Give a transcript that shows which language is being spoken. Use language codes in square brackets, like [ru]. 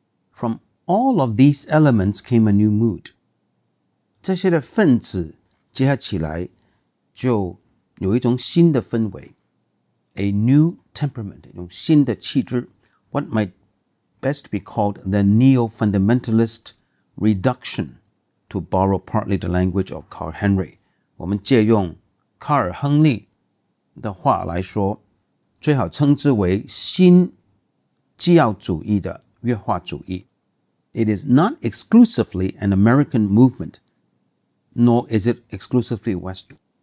[en] From all of these elements came a new mood. [zh] 这些的分子结合起来就有一种新的氛围。 [en] A new temperament, [zh] 一种新的气质。 [en] What might best be called the neo-fundamentalist reduction, to borrow partly the language of Carl Henry. [zh] 我们借用卡尔·亨利的话来说，最好称之为新基要主义的约化主义。 [en] It is not exclusively an American movement, nor is it exclusively Western.